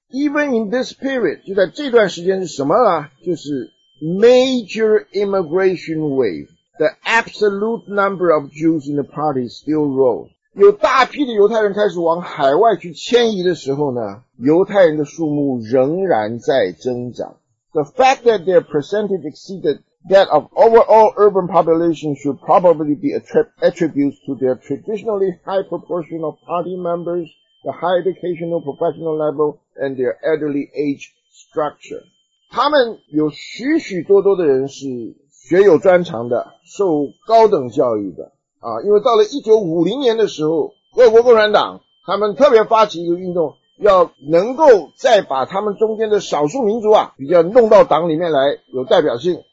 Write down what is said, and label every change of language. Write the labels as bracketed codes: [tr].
[en] Even in this period， [zh] 就在这段时间是什么啊？就是 [en] major immigration wave， the absolute number of Jews in the party still rose。 [zh] 有大批的犹太人开始往海外去迁移的时候呢，犹太人的数目仍然在增长。 [en] The fact that their percentage exceeded that of overall urban population should probably be attributed to their traditionally high proportion of party members, the high educational professional level, and their elderly age structure. [zh] 他们有许许多多的人是学有专长的，受高等教育的啊，因为到了1950年的时候，俄国共产党他们特别发起一个运动，要能够再把他们中间的少数民族啊，比较弄到党里面来，有代表性。